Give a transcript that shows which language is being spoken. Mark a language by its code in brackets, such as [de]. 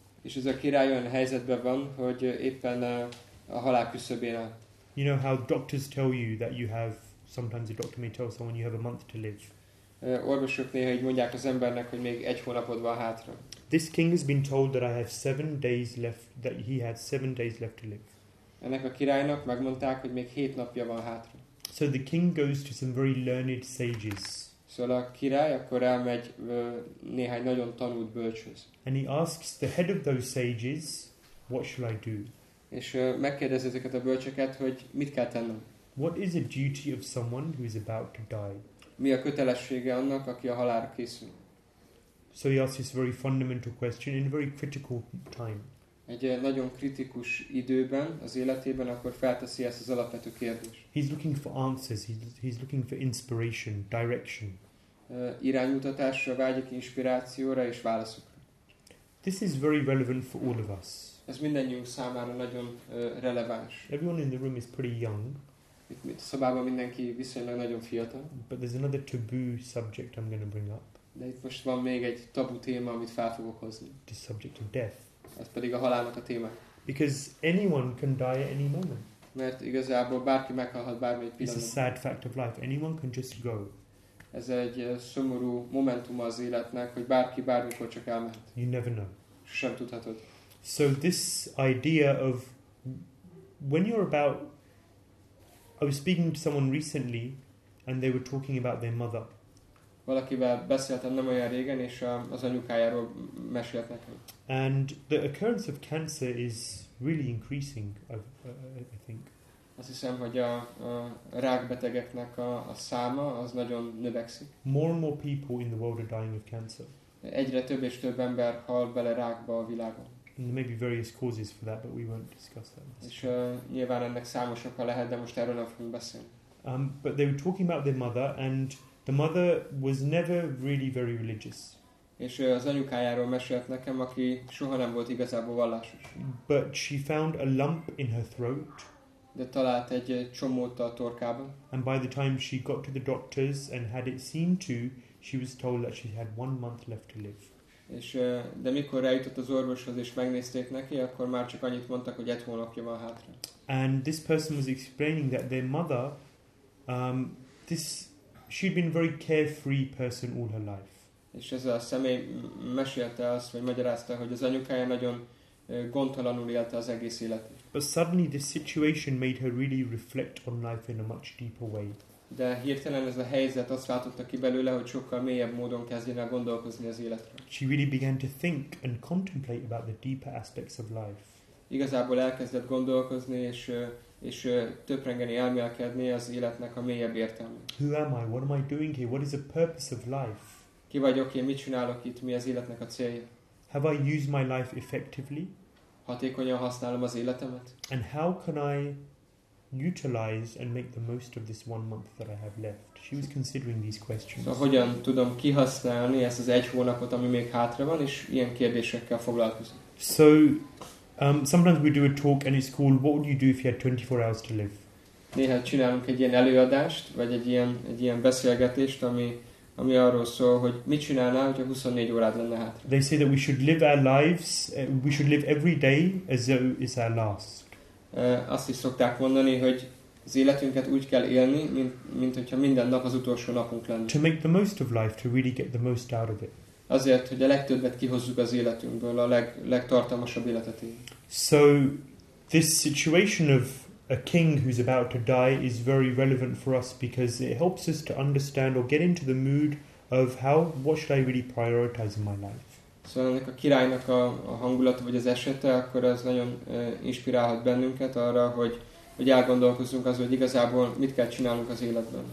[hu] És ez a király olyan helyzetben van, hogy éppen a halál küszöbén áll. [en] You know how doctors tell you that you have, sometimes a doctor may tell someone you have a month to live. [hu] Orvosok néha így mondják az embernek, hogy még egy hónapod van hátra. [en] This king has been told that I have 7 days left, that he had 7 days left to live. [hu] Ennek a királynak megmondták, hogy még 7 napja van hátra. [en] So the king goes to some very learned sages. [hu] Szóval a király akkor elmegy néhány nagyon tanult bölcshöz. [en] And he asks the head of those sages, what shall I do? [hu] És megkérdezi ezeket a bölcseket, hogy mit kell tennem? [en] What is the duty of someone who is about to die? [hu] Mi a kötelessége annak, aki a halálra készül? [en] So he asks this very fundamental question in a very critical time. [hu] Egy nagyon kritikus időben, az életében, akkor felteszi ezt az alapvető kérdést. [en] He's looking for answers, he's looking for inspiration, direction. [hu] Iránymutatásra vágyik, inspirációra és válaszokra. [en] This is very relevant for all of us. [hu] Ez mindannyiunk számára nagyon releváns. [en] Everyone in the room is pretty young. [hu] Itt a szobában mindenki viszonylag nagyon fiatal. [en] But there's another taboo subject I'm going to bring up. [hu] De itt most van még egy tabu téma, amit fel fogok hozni. [en] The subject of death. [hu] Ez pedig a halálnak a téma. [en] Because anyone can die at any moment. [hu] Mert igazából bárki meghalhat bármelyik pillanatban. [en] It's a sad fact of life. Anyone can just go. [hu] Ez egy szomorú momentum az életnek, hogy bárki bármikor csak elmehet. [en] You never know. [hu] Sosem tudhatod. [en] So this idea of when you're about, I was speaking to someone recently and they were talking about their mother. [hu] Valakivel beszéltem nem olyan régen, és az anyukájáról mesélt nekem. [en] And the occurrence of cancer is really increasing, I think. [hu] Azt hiszem, hogy a rákbetegeknek a száma az nagyon növekszik. [en] More and more people in the world are dying of cancer. [hu] Egyre több és több ember hal bele rákba a világon. [en] And there may be various causes for that, but we won't discuss that. [hu] És nyilván ennek számos oka lehet, de most erről nem fogunk beszélni. [en] But they were talking about their mother, and the mother was never really very religious. [hu] És az anyukájáról mesélt nekem, aki soha nem volt igazából vallásos. [en] But she found a lump in her throat. [hu] De talált egy csomót a torkában. [en] And by the time she got to the doctors and had it seen to, she was told that she had 1 month left to live. [hu] És de mikor eljutott az orvoshoz és megnézték neki, akkor már csak annyit mondtak, hogy 1 hónapja van hátra. [en] And this person was explaining that their mother, she'd been a very carefree person all her life. [hu] És ez a személy mesélte azt, vagy magyarázta, hogy az anyukája nagyon gondtalanul élte az egész életét. [en] But suddenly this situation made her really reflect on life in a much deeper way. [hu] De hirtelen ez a helyzet azt váltotta ki belőle, hogy sokkal mélyebb módon kezdjen el gondolkozni az életről. [en] She really began to think and contemplate about the deeper aspects of life. [hu] Igazából elkezdett gondolkozni és töprengeni, elmélkedni az életnek a mélyebb értelme. [en] Who am I? What am I doing here? What is the purpose of life? [hu] Ki vagyok én, mit csinálok itt, mi az életnek a célja? [en] Have I used my life effectively? [hu] Hatékonyan használom az életemet? [en] And how can I utilize and make the most of this 1 month that I have left? She was considering these questions. [hu] Szóval hogyan tudom kihasználni ezt az 1 hónapot, ami még hátra van, és ilyen kérdésekkel foglalkozom. [en] So, sometimes we do a talk and it's called, what would you do if you had 24 hours to live? [hu] Néha csinálunk egy ilyen előadást, vagy egy ilyen beszélgetést, ami arról szól, hogy mit csinálnál, hogyha 24 órád lenne hátra. [en] They say that we should live our lives, we should live every day as though it's our last. [hu] Azt is szokták mondani, hogy az életünket úgy kell élni, mint hogyha minden nap az utolsó napunk lenne. [en] To make the most of life, to really get the most out of it. [hu] Azért, hogy a legtöbbet kihozzuk az életünkből, a legtartalmasabb életet éljünk. [en] So, this situation of a king who's about to die is very relevant for us because it helps us to understand or get into the mood of how, what should I really prioritize in my life. [hu] Szóval ennek a királynak a hangulata vagy az esete, akkor az nagyon inspirálhat bennünket arra, hogy elgondolkozzunk az, hogy igazából mit kell csinálnunk az életben.